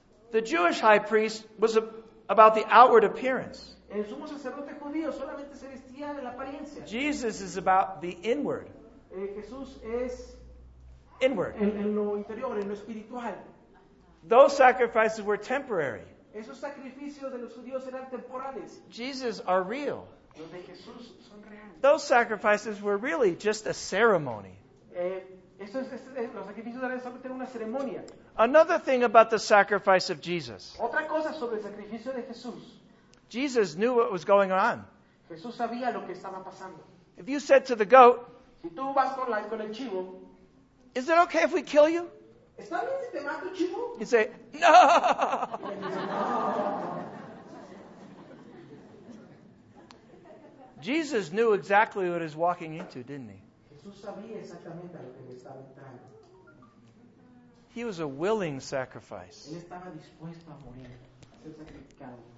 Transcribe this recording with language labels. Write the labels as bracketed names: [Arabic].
[English] The Jewish high priest was about the outward appearance. [Spanish] El sumo sacerdote judío solamente se vestía de la apariencia. [English] Jesus is about the inward. [Spanish] Jesús es [English] inward. [Spanish] En lo interior, en lo espiritual. [English] Those sacrifices were temporary. [Spanish] Esos sacrificios de los judíos eran temporales. [English] Jesus are real. [Spanish] Los de Jesús son reales. [English] Those sacrifices were really just a ceremony. [Spanish] Los sacrificios eran solamente una ceremonia. [English] Another thing about the sacrifice of Jesus. [Spanish] Otra cosa sobre el sacrificio de Jesús. [English] Jesus knew what was going on. [Spanish] Jesús sabía lo que estaba pasando. [English] If you said to the goat, [Spanish] si tú vas con el chivo, [English] is it okay if we kill you? [Spanish] ¿Está bien si te mato, chivo? [English] You say, no. Jesus knew exactly what he was walking into, didn't he? [Spanish] Jesús sabía exactamente a lo que le estaba entrando. [English] He was a willing sacrifice. [Spanish] Él estaba dispuesto a morir, a ser sacrificado.